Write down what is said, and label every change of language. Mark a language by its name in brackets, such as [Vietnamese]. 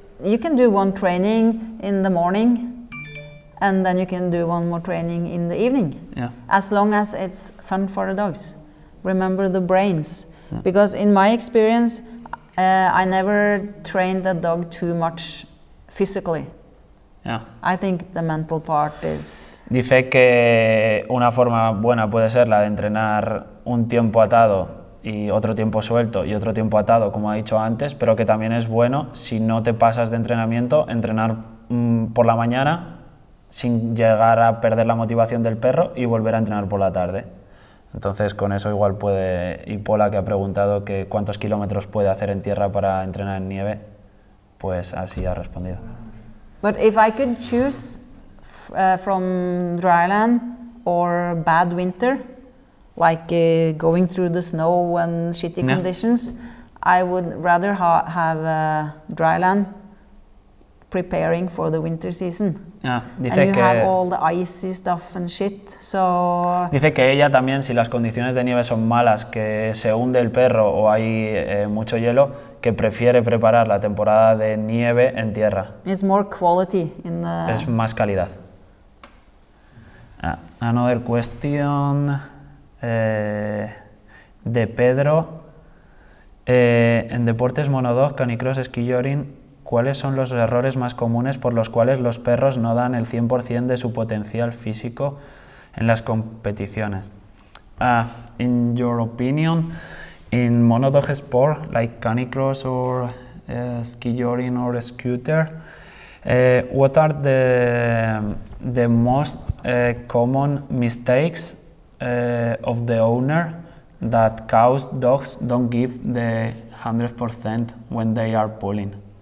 [English] You can do one training in the morning, and then you can do one more training in the evening. Yeah. As long as it's fun for the dogs, remember the brains. Yeah. Because in my experience, I never trained the dog too much physically. Yeah. I think the mental part is. [Spanish] Dice que una forma buena puede ser la de entrenar un tiempo atado y otro tiempo suelto y otro tiempo atado, como ha dicho antes, pero que también es bueno, si no te pasas de entrenamiento, entrenar por la mañana sin llegar a perder la motivación del perro y volver a entrenar por la tarde. Entonces, con eso igual puede. Y Pola, que ha preguntado que cuántos kilómetros puede hacer en tierra para entrenar en nieve, pues así ha respondido. [English] But if I could choose from dryland or bad winter, like going through the snow and shitty conditions, I would rather have dryland preparing for the winter season. [Spanish] Dice [English] and you [Spanish] que [English] have all the icy stuff and shit, so. [Spanish] Dice que ella también, si las condiciones de nieve son malas, que se hunde el perro o hay mucho hielo, que prefiere preparar la temporada de nieve en tierra. [English] It's more quality in the. [Spanish] Es más calidad. [English] Another question [Spanish] de Pedro. En deportes monodog, canicross, esquiyorin, ¿cuáles son los errores más comunes por los cuales los perros no dan el 100% de su potencial físico en las competiciones? [English] In your opinion, in monodog sport, like canicross or skijorin or scooter, what are the most common mistakes of the owner that cause dogs don't give the 100% when they are pulling?